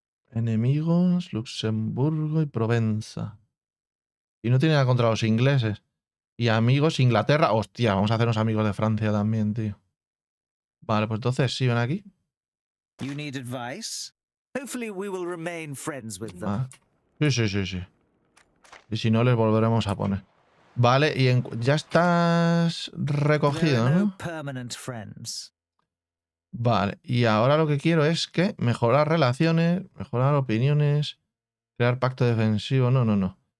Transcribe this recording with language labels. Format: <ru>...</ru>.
<es>Enemigos, Luxemburgo y Provenza. Y no tiene nada contra los ingleses. Y amigos, Inglaterra. Hostia, vamos a hacernos amigos de Francia también, tío. Vale, pues entonces, sí, ven aquí.</es> <en>You need advice? Hopefully we will remain friends with them.</en> <es>Ah. Sí. Y si no, les volveremos a poner. Vale, y en, ya estás recogido, ¿no?</es> <en>Permanent friends.</en> <es>Vale, y ahora lo que quiero es que mejorar relaciones, mejorar opiniones, crear pacto defensivo. No.</es>